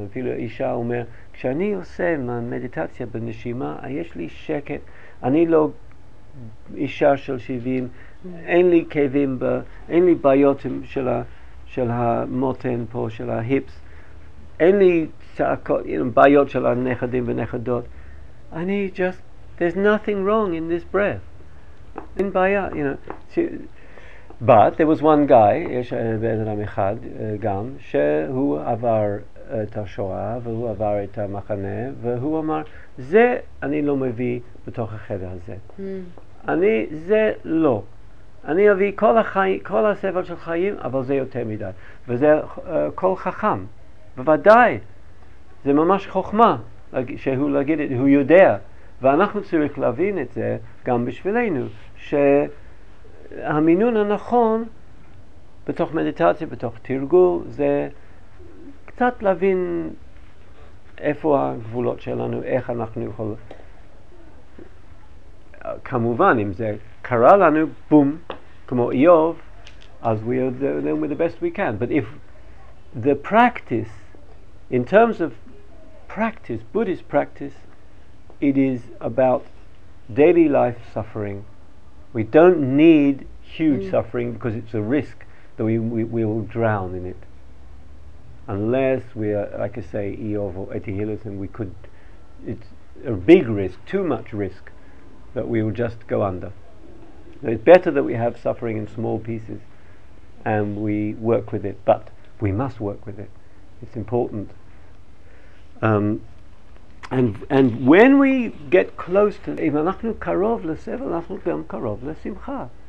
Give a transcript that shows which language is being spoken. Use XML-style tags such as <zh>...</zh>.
<he>אפילו אישה אומר, כשאני עושה מדיטציה בנשימה, יש לי שקט. אני לא אישה של 70, אין לי כאבים, אין לי בעיות של המותן פה, של ההיפס. אין לי צעקות, you know, בעיות של הנכדים ונכדות.</he> <en>אני just, there's nothing wrong in this breath.</en> <he>אין בעיה, you know.</he> <en>But there was one guy,</en> <he>יש בן אדם אחד גם, שהוא עבר את השואה, והוא עבר את המחנה, והוא אמר, זה אני לא מביא בתוך החדר הזה. אני, זה לא. אני אביא כל החיים, כל הספר של חיים, אבל זה יותר מדי. וזה כל חכם. בוודאי, זה ממש חוכמה שהוא להגיד, הוא יודע, ואנחנו צריך להבין את זה גם בשבילנו, שהמינון הנכון בתוך מדיטציה, בתוך תרגול, זה קצת להבין איפה הגבולות שלנו, איך אנחנו יכולים. כמובן, אם זה קרה לנו, בום, כמו איוב, אז</he> <en>we are doing with the best we can. But if the practice, in terms of practice, Buddhist practice, it is about daily life suffering. We don't need huge suffering because it's a risk that we will drown in it. Unless we are, like I say, Eov or Eti Hillesim, we could, it's a big risk, too much risk, that we will just go under. So it's better that we have suffering in small pieces and we work with it, but we must work with it. It's important. And when we get close to,</en> <he>אם אנחנו קרוב לסבל, אנחנו גם קרוב לשמחה.</he>